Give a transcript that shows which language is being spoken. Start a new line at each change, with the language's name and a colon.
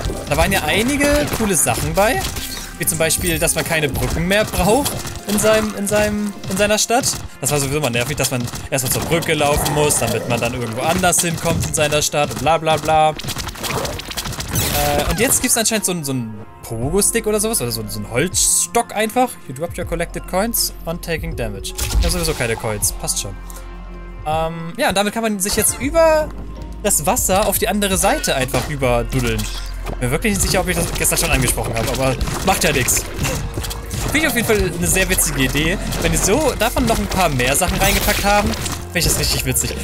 German: Da waren ja einige coole Sachen bei. Wie zum Beispiel, dass man keine Brücken mehr braucht in seiner Stadt. Das war sowieso mal nervig, dass man erstmal zur Brücke laufen muss, damit man dann irgendwo anders hinkommt in seiner Stadt und bla bla bla. Und jetzt gibt es anscheinend so ein Pogo-Stick oder sowas, oder so ein Holzstock einfach.
English: You dropped your collected coins on taking damage.
German: Ich habe sowieso keine Coins, passt schon. Ja, und damit kann man sich jetzt über das Wasser auf die andere Seite einfach überduddeln. Bin mir wirklich nicht sicher, ob ich das gestern schon angesprochen habe, aber macht ja nichts. Finde ich auf jeden Fall eine sehr witzige Idee. Wenn die so davon noch ein paar mehr Sachen reingepackt haben, finde ich das richtig witzig.